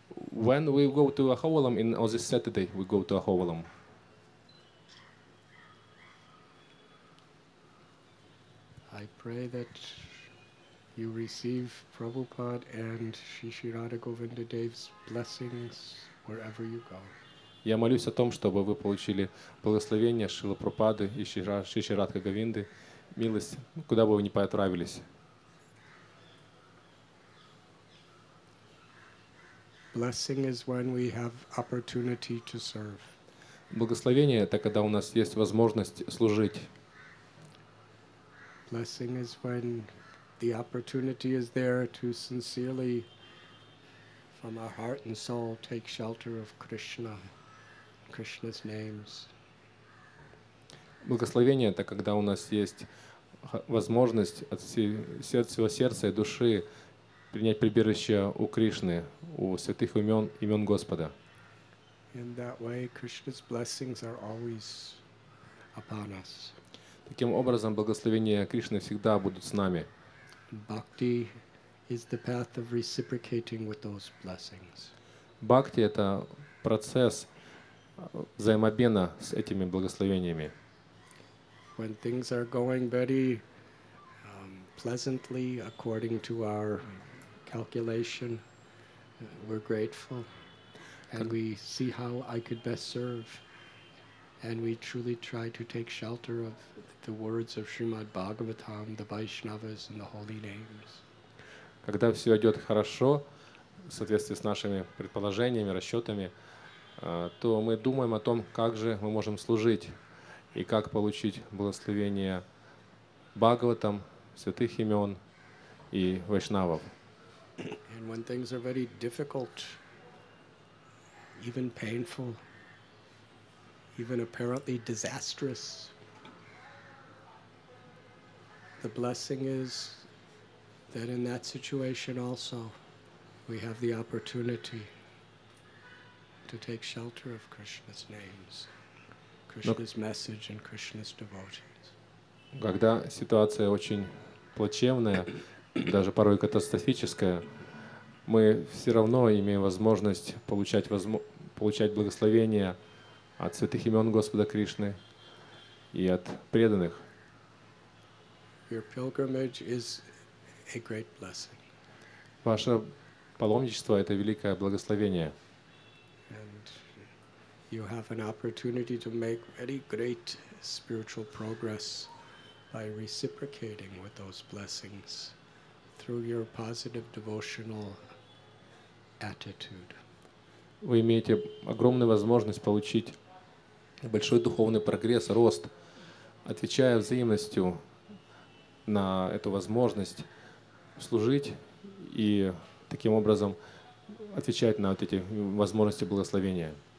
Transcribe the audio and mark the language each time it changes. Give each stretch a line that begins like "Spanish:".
English: When we go to Ahovalam in on this Saturday, we go to Ahovalam. I pray that you receive Prabhupada and Shri Shri Radha Govinda Dev's blessings wherever you go.
Russian: Я молюсь о том, чтобы вы получили благословение Шрилы Прабхупады и Шри Шри Радха Говинды, милость, куда бы вы ни отправились.
English: Blessing is when we have opportunity to serve.
Russian: Благословение – это когда у нас есть возможность служить.
English: Blessing is when the opportunity is there to sincerely, from our heart and soul, take shelter of Krishna, Krishna's names.
Russian: Благословение – это когда у нас есть возможность от всего сердца и души принять прибежище у Кришны, у святых имен, имен Господа.
English: In that way, Krishna's blessings are always upon us.
Russian: Таким образом, благословения Кришны всегда будут с нами.
English: Bhakti is the path of reciprocating with those blessings.
Russian: Бхакти – это процесс взаимообмена с этими благословениями.
English: When things are going very pleasantly according to our calculation, we're grateful, and we see how I could best serve, and we truly try to take shelter of the words of Srimad Bhagavatam, the Vaishnavas, and the holy names.
Russian: Когда все идет хорошо, в соответствии с нашими предположениями, расчетами, то мы думаем о том, как же мы можем служить и как получить благословение Бхагаватам, святых имен и Вайшнавов.
English: And when things are very difficult, even painful, even apparently disastrous, the blessing is that in that situation also we have the opportunity to take shelter of Krishna's names, Krishna's message, and Krishna's devotees.
Russian: Когда ситуация очень плачевная, даже порой катастрофическая, мы все равно имеем возможность получать, получать благословения от святых имен Господа Кришны и от преданных.
English: Your pilgrimage is a great blessing.
Russian: Ваше паломничество – это великое благословение.
English: And you have an opportunity to make very great spiritual progress by reciprocating with those blessings through your positive devotional attitude.
Russian: Вы имеете огромную возможность получить большой духовный прогресс, рост, отвечая взаимностью на эту возможность служить и таким образом отвечать на вот эти возможности благословения.